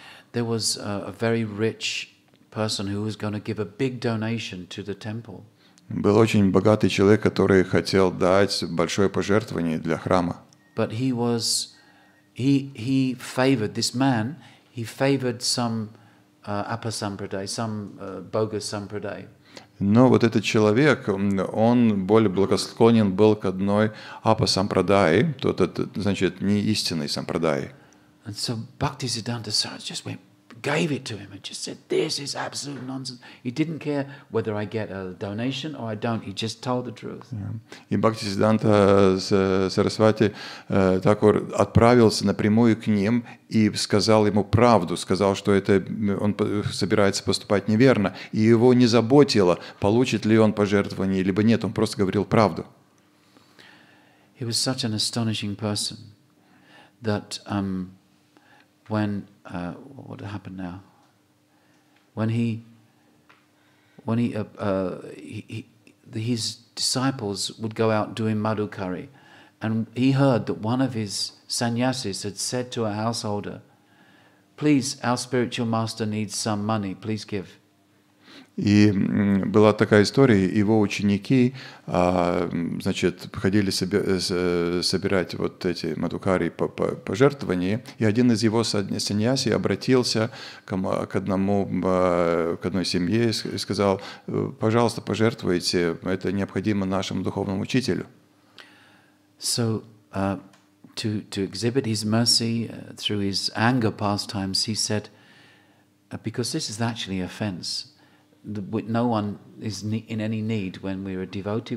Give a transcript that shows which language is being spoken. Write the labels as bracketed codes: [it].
[en] There was a very rich person who was going to give a big donation to the temple. [ru] Был очень богатый человек, который хотел дать большое пожертвование для храма. [en] But he was He favored this man. He favored some upper sampraday, some bogus sampraday. [ru] Но вот этот человек, он более благосклонен был к одной upper sampraday, тот, значит, не истинный sampraday. [en] And so Bhaktisiddhanta Saraswati just went gave it to him and just said, this is absolute nonsense. He didn't care whether I get a donation or I don't. He just told the truth. [ru] И Бхакти Сиддханта Сарасвати так отправился напрямую к ним и сказал ему правду, сказал, что это он собирается поступать неверно. И его не заботило, получит ли он пожертвование, либо нет. Он просто говорил правду. [en] He was such an astonishing person that his disciples would go out doing madhukari, and he heard that one of his sannyasis had said to a householder, please, our spiritual master needs some money, please give. [ru] И была такая история, его ученики, значит, ходили собирать вот эти мадукари пожертвования, и один из его саньяси обратился к одной семье и сказал, пожалуйста, пожертвуйте, это необходимо нашему духовному учителю. [en] So, to exhibit his mercy through his anger pastimes, he said, because this is actually offense. No one is in any need when we're a devotee.